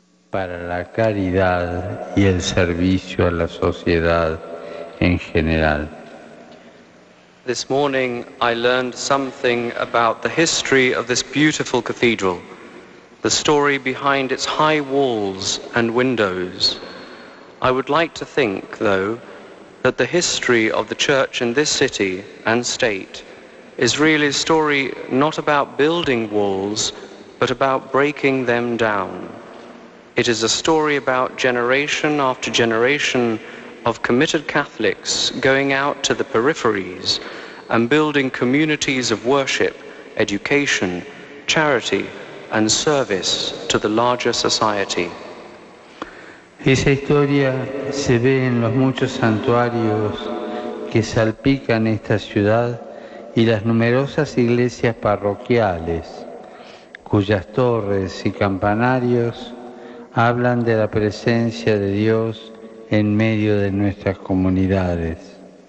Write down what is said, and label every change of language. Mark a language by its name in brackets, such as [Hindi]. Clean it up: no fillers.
[Spanish] Para la caridad y el servicio a la sociedad en general. [English] This morning I learned something about the history of this beautiful cathedral, the story behind its high walls and windows. I would like to think, though, that the history of the church in this city and state is really a story not about building walls, but about breaking them down. It is a story about generation after generation of committed Catholics going out to the peripheries and building communities of worship, education, charity, and service to the larger society. [Spanish] Esa historia se ve en los muchos santuarios que salpican esta ciudad y las numerosas iglesias parroquiales, cuyas torres y campanarios hablan de la presencia de Dios en medio de nuestras comunidades.